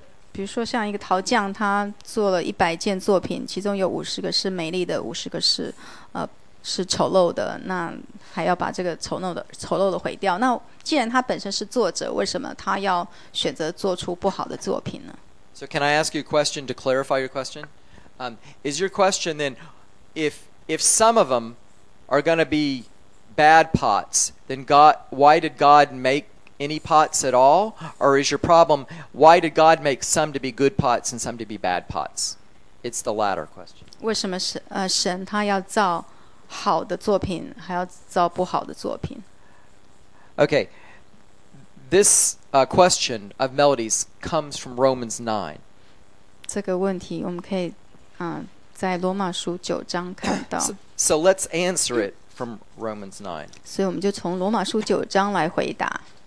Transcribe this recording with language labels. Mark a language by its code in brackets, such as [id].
[zh] 比如说像一个陶匠，他做了100件作品，其中有50个是美丽的，50个是丑陋的，那还要把这个丑陋的毁掉。那既然他本身是作者，为什么他要选择做出不好的作品呢？ [en] So can I ask you a question to clarify your question? Is your question then, if some of them are going to be bad pots, then God, why did God make? Any pots at all? Or is your problem, why did God make some to be good pots and some to be bad pots? It's the latter question. [zh] 为什么神他要造好的作品，还要造不好的作品？ [en] Okay, this question of Melody's comes from Romans 9. [zh] 这个问题我们可以在罗马书九章看到。 [en] So let's answer it from Romans 9. [zh] 所以我们就从罗马书九章来回答。